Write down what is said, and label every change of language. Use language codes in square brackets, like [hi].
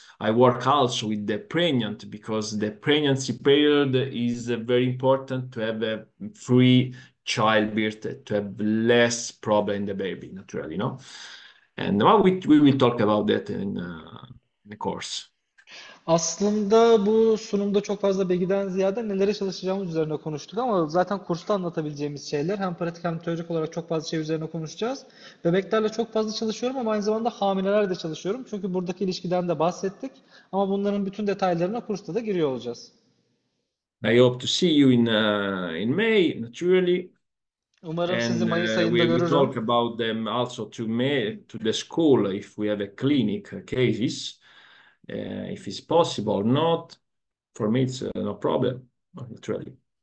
[en] I work also with the pregnant, because the pregnancy period is very important to have a free childbirth, to have less problem in the baby naturally, no? And well, we will talk about that in the course. [tr] Aslında bu sunumda çok fazla bilgiden ziyade nelere çalışacağımız üzerine konuştuk ama zaten kursta anlatabileceğimiz şeyler hem pratik hem teorik olarak çok fazla şey üzerine konuşacağız. Bebeklerle çok fazla çalışıyorum ama aynı zamanda hamileler de çalışıyorum. Çünkü buradaki ilişkiden de bahsettik ama bunların bütün detaylarına kursta da giriyor olacağız. [en] I hope to see you in May, naturally, [tr] Umarım sizi [en] and [tr] Mayıs [en] we [tr] ayında [en] will talk [tr] görürüm. [en] about them also to May, to the school, if we have a clinic cases, if it's possible or not. For me, it's no problem, naturally.